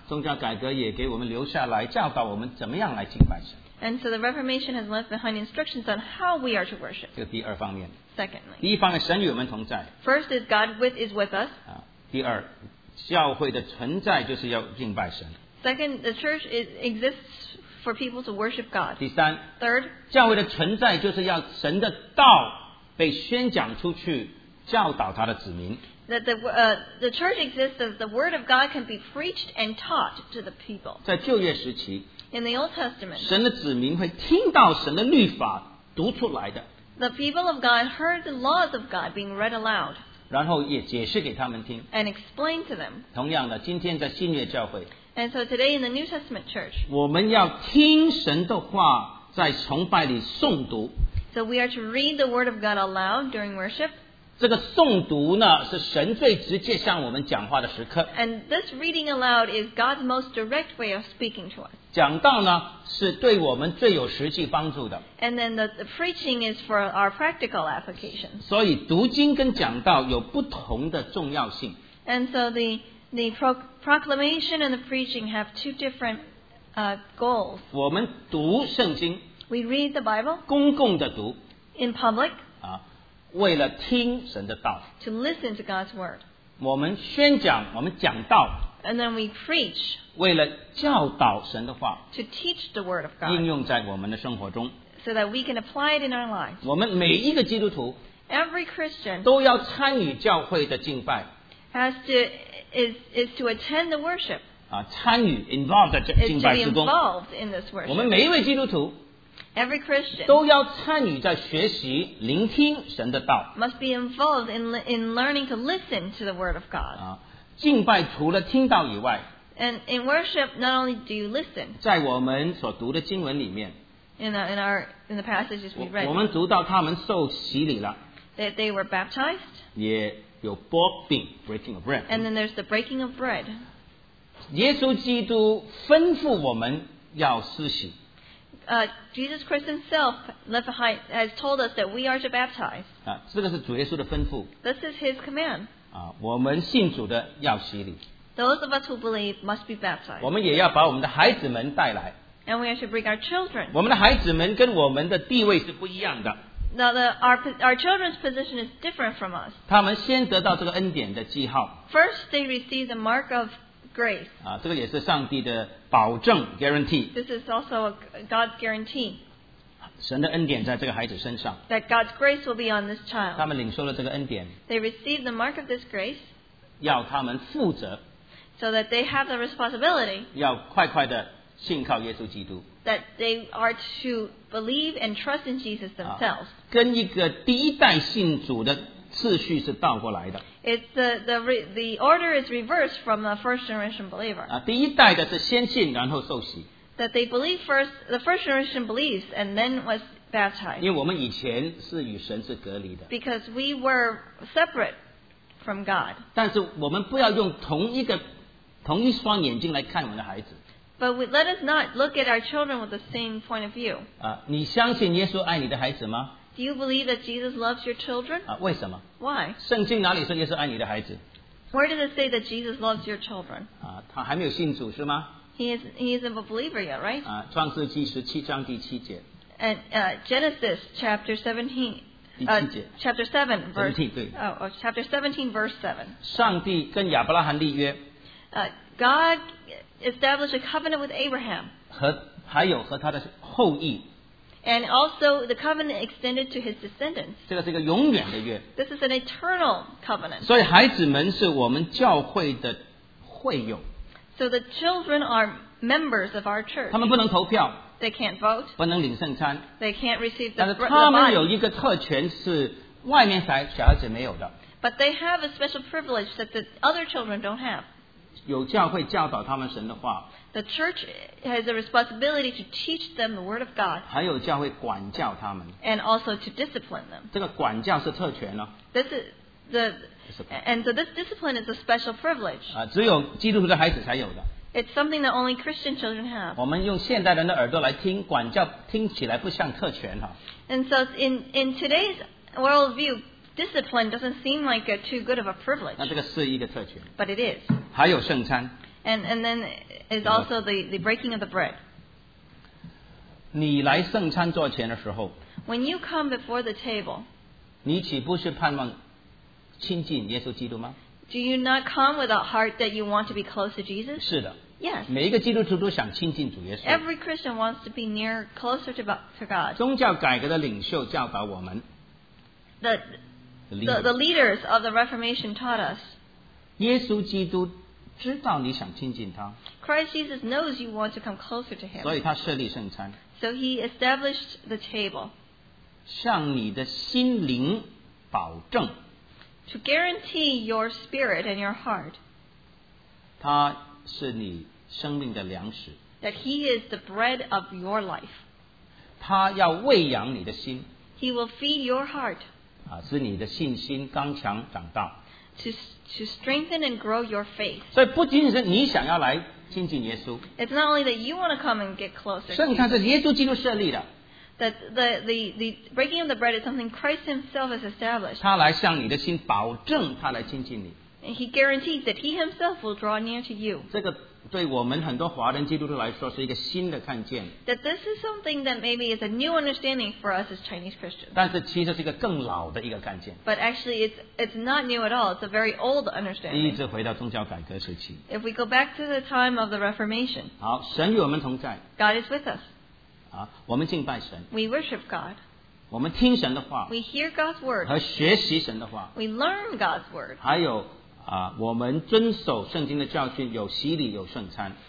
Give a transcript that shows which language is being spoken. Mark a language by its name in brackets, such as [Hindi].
[Chinese] 宗教改革也给我们留下来教导我们怎么样来敬拜神。 [English] And so the Reformation has left behind instructions on how we are to worship. [Chinese] 这第二方面。 [English] Secondly, [Chinese] 第一方面，神与我们同在。 [English] First is God is with us. [Chinese] 第二，教会的存在就是要敬拜神。 [English] Second, the church exists for people to worship God. [Chinese] 第三 [English] ，Third, [Chinese] 教会的存在就是要神的道被宣讲出去，教导他的子民。 [English] that the church exists so the word of God can be preached and taught to the people. [Chinese] 在旧约时期, [English] in the Old Testament, [Chinese] 神的子民会听到神的律法读出来的。 [English] The people of God heard the laws of God being read aloud. [Chinese] 然后也解释给他们听。 [English] And explained to them. [Chinese] 同样的，今天在新约教会。 [English] And so today in the New Testament church, [Chinese] 我们要听神的话在崇拜里诵读。 [English] So we are to read the word of God aloud during worship. [Chinese] 这个诵读呢，是神最直接向我们讲话的时刻。 [English] And this reading aloud is God's most direct way of speaking to us. [Chinese] 讲道呢，是对我们最有实际帮助的。 [English] And then the preaching is for our practical application. [Chinese] 所以读经跟讲道有不同的重要性。 [English] And so the proclamation and the preaching have two different goals. [Chinese] 我们读圣经。 [English] We read the Bible [Chinese] 公共的读, [English] in public, [Chinese] 啊, 为了听神的道, [English] to listen to God's word. [Chinese] 我们宣讲, 我们讲道, [English] and then we preach, [Chinese] 为了教导神的话, [English] to teach the word of God, [Chinese] 应用在我们的生活中, [English] so that we can apply it in our lives. [Chinese] 我们每一个基督徒, [English] every Christian, [Chinese] 都要参与教会的敬拜, [English] has to, is to attend the worship, [Chinese] 啊, 参与, involved 的敬拜之中, [English] is to be involved in this worship. [Chinese] 我们每一位基督徒, [English] Every Christian [Chinese] 都要参与在学习聆听神的道 [English] must be involved in learning to listen to the word of God. [Chinese] 啊，敬拜除了听到以外 [English] and in worship, not only do you listen, [Chinese] 在我们所读的经文里面 [English] in the passages we read, [Chinese] 我们读到他们受洗礼了 [English] that they were baptized, [Chinese] 也有 [English] breaking of bread, and then there's the breaking of bread. [Chinese] 耶稣基督吩咐我们要施洗 [English] Jesus Christ himself has told us that we are to baptize. [Chinese] 啊，这个是主耶稣的吩咐。 [English] This is his command. [Chinese] 啊，我们信主的要洗礼。 [English] Those of us who believe must be baptized. [Chinese] 我们也要把我们的孩子们带来。 [English] And we are to bring our children. [Chinese] 我们的孩子们跟我们的地位是不一样的。 [English] Now our children's position is different from us. [Chinese] 他们先得到这个恩典的记号。 [English] First, they receive the mark of grace. [Chinese] 啊，这个也是上帝的。保证 guarantee. [English] This is also a God's guarantee. [Chinese] 神的恩典在这个孩子身上。 [English] That God's grace will be on this child. [Chinese] 他们领受了这个恩典。 [English] They receive the mark of this grace. [Chinese] 要他们负责。 [English] So that they have the responsibility. [Chinese] 要快快的信靠耶稣基督。 [English] That they are to believe and trust in Jesus themselves. [Chinese] 啊，跟一个第一代信主的次序是倒过来的。 [English] It's the order is reversed from the first generation believer. [Chinese] 啊，第一代的是先信然后受洗。 [English] That they believe first, the first generation believes and then was baptized. [Chinese] 因为我们以前是与神是隔离的。 [English] Because we were separate from God. [Chinese] 但是我们不要用同一双眼睛来看我们的孩子。 [English] But let us not look at our children with the same point of view. [Chinese] 啊，你相信耶稣爱你的孩子吗？ [English] Do you believe that Jesus loves your children? [Chinese] 啊，为什么？ [English] Why? [Chinese] 圣经哪里说耶稣爱你的孩子？ [English] Where does it say that Jesus loves your children? [Chinese] 啊，他还没有信主是吗？ [English] He isn't a believer yet, right? [Chinese] 啊，创世纪十七章第七节。 [English] And Genesis chapter 17. [Chinese] 第七节。 [English] Chapter 7 verse. [Chinese] 17对。 [English] Chapter 17 verse 7. [Chinese] 上帝跟亚伯拉罕立约。 [English] God established a covenant with Abraham. [Chinese] 还有和他的后裔。 [English] And also the covenant extended to his descendants. [Chinese] 这个是一个永远的约。 [English] This is an eternal covenant. [Chinese] 所以孩子们是我们教会的会友。 [English] So the children are members of our church. [Chinese] 他们不能投票。 [English] They can't vote. [Chinese] 不能领圣餐。 [English] They can't receive the [Chinese] bread. 但是他们有一个特权是外面小孩子没有的。 [English] But they have a special privilege that the other children don't have. [Chinese] 有教会教导他们神的话。 [English] The church has a responsibility to teach them the word of God. [Chinese] 还有教会管教他们。 [English] And also to discipline them. [Chinese] 这个管教是特权哦。 [English] So this discipline is a special privilege. [Chinese] 啊，只有基督徒的孩子才有的。 [English] It's something that only Christian children have. [Chinese] 我们用现代人的耳朵来听管教，听起来不像特权哈。 [English] And so in today's worldview, discipline doesn't seem like too good of a privilege. [Chinese] 那这个是一个特权。 [English] But it is. [Chinese] 还有圣餐。 [English] And then is also the breaking of the bread. [Chinese] 你来圣餐桌前的时候， [English] When you come before the table, [Chinese] 你岂不是盼望亲近耶稣基督吗？ [English] Do you not come with a heart that you want to be close to Jesus? [Chinese] 是的。 [English] Yes. [Chinese] 每一个基督徒都想亲近主耶稣。 [English] Every Christian wants to be near, closer to God. [Chinese] 宗教改革的领袖教导我们。 [English] The the leaders of the Reformation taught us. [Chinese] 耶稣基督知道你想亲近他, [English] Christ Jesus knows you want to come closer to him. [Chinese] 所以他设立圣餐, [English] so he established the table. [Chinese] 向你的心灵保证, [English] to guarantee your spirit and your heart. [Chinese] 他是你生命的粮食, [English] that he is the bread of your life. [Chinese] 他要喂养你的心, [English] he will feed your heart. [Chinese] 是你的信心刚强长大, [English] to strengthen and grow your faith. [Chinese] 所以不仅仅是你想要来亲近耶稣, [English] it's not only that you want to come and get closer. [Chinese] 圣餐是耶稣基督设立的, [English] that the breaking of the bread is something Christ himself has established. [Chinese] 他来向你的心保证他来亲近你, [English] and he guarantees that he himself will draw near to you. [Chinese] 这个对我们很多华人基督徒来说是一个新的看见, [English] that this is something that maybe is a new understanding for us as Chinese Christians. [Chinese] 但是其实是一个更老的一个看见, [English] but actually it's not new at all. It's a very old understanding. [Chinese] 一直回到宗教改革时期, [English] if we go back to the time of the Reformation. [Chinese] 好, 神与我们同在, [English] God is with us. [Chinese] 好, 我们敬拜神, [English] we worship God. [Chinese] 我们听神的话, [English] we hear God's word. [Chinese] 和学习神的话, [English] we learn God's word. [Chinese] 还有, 我们遵守圣经的教训，有洗礼，有圣餐,